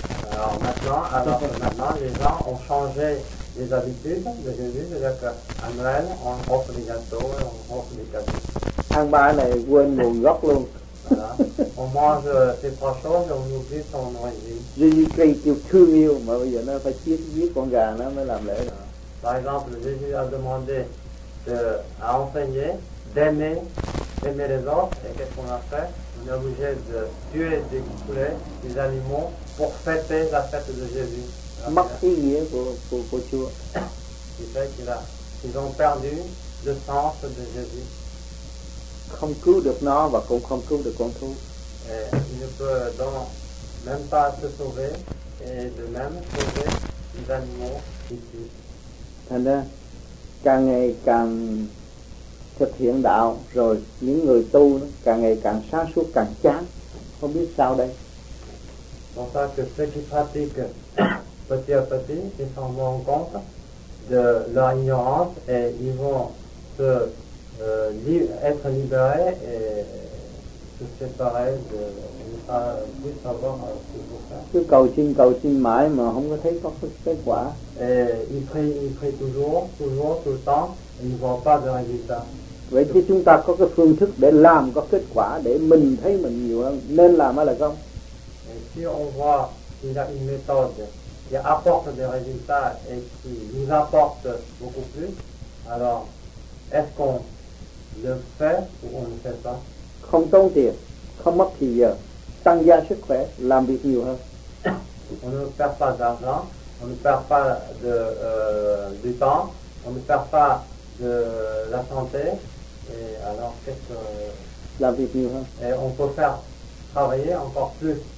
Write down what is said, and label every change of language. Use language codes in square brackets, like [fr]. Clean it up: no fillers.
[fr] Alors maintenant, les gens ont changé les habitudes de Jésus, c'est-à-dire qu'à Noël, on offre des gâteaux et on offre des cadeaux. [vi] Ăn ba này quên nguồn gốc luôn. [fr] On mange ces trois choses et on oublie son origine. [vi] Jésus-Christ kêu thương yêu, mà bây giờ nó phải chết giết con gà nó mới làm lễ. [fr] Par exemple, Jésus a demandé à enseigner d'aimer les autres, et qu'est-ce qu'on a fait? On est obligé de tuer des poulets, des animaux, pour fêter la fête de Jésus. Qui fait qu'ils ont perdu le sens de Jésus. [vi] Không cứu được nó và cũng không cứu được con thú. [fr] Et il ne peut donc même pas se sauver, et de même sauver les animaux [vi] Thành ra càng ngày càng thực hiện đạo, rồi những người tu càng ngày càng sáng suốt, càng chán, không biết sao đây. [fr] En fait, ceux qui pratiquent petit à petit, ils s'en rendent compte de leur ignorance et ils vont se, être libérés et se séparer de ne pas plus savoir ce qu'ils vont faire. [vi] Cứ cầu xin mãi mà không có thấy có kết quả. [fr] Et ils prient toujours, toujours, tout le temps, et ils ne voient pas de résultat. [vi] Vậy chứ chúng ta có cái phương thức để làm có kết quả, để mình thấy mình nhiều hơn, nên làm hay là không? [fr] Si on voit qu'il y a une méthode qui apporte des résultats et qui nous apporte beaucoup plus, alors est-ce qu'on le fait ou on ne le fait pas? [vi] Không tốn tiền, không mất thời giờ, tăng gia sức khỏe, làm việc nhiều hơn. [fr] On ne perd pas d'argent, on ne perd pas de du temps, on ne perd pas de la santé, et alors qu'est-ce que... [vi] Làm việc nhiều hơn. [fr] Et on peut faire travailler encore plus.